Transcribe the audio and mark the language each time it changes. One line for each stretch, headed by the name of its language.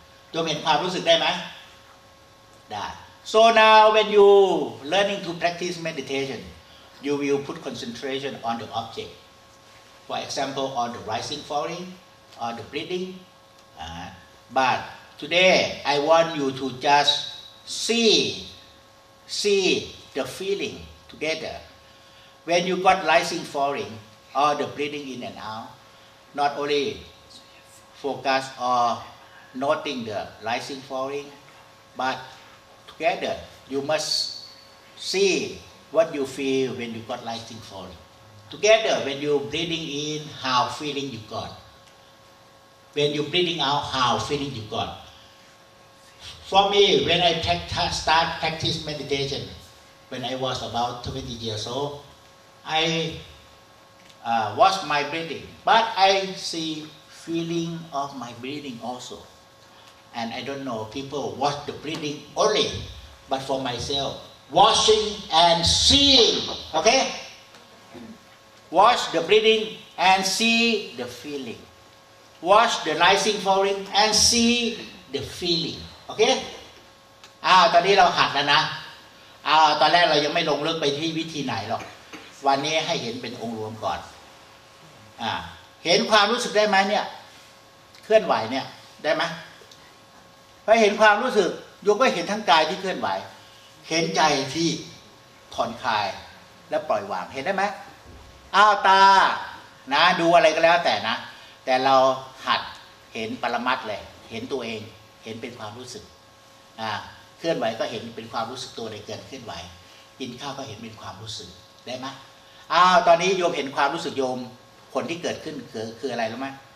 Thai: โยมเห็นความรู้สึกได้ไหมได้
English: So now when you learning to practice meditation you will put concentration on the object for example on the rising falling on the breathing but today I want you to justSee the feeling together. When you got rising, falling, or the breathing in and out, not only focus or noting the rising, falling, but together you must see what you feel when you got rising, falling. Together, when you breathing in, how feeling you got. When you breathing out, how feeling you got. For me, when I start practice meditation, when I was about 20 years old, I watch my breathing, but I see feeling of my breathing also. And I don't know, people watch the breathing only, but for myself, watching and seeing, okay? Watch the breathing and see the feeling. Watch the rising falling and see the feeling.
Thai: โอเคอ้าวตอนนี้เราหัดแล้วนะอ้าวตอนแรกเรายังไม่ลงลึกไปที่วิธีไหนหรอกวันนี้ให้เห็นเป็นองค์รวมก่อนเห็นความรู้สึกได้ไหมเนี่ยเคลื่อนไหวเนี่ยได้ไหม พอเห็นความรู้สึกโยมก็เห็นทั้งกายที่เคลื่อนไหวเห็นใจที่ผ่อนคลายและปล่อยวางเห็นได้ไหมอ้าวตานะดูอะไรก็แล้วแต่นะแต่เราหัดเห็นปรมัตถ์เลยเห็นตัวเองเห็นเป็นความรู้สึกเคลื่อนไหวก็เห็นเป็นความรู้สึกตัวในเกิดเคลื่อนไหวกินข้าวก็เห็นเป็นความรู้สึกได้ไหมอ้าวตอนนี้โยมเห็นความรู้สึกโยมผลที่เกิดขึ้นคืออะไรรู้ไหม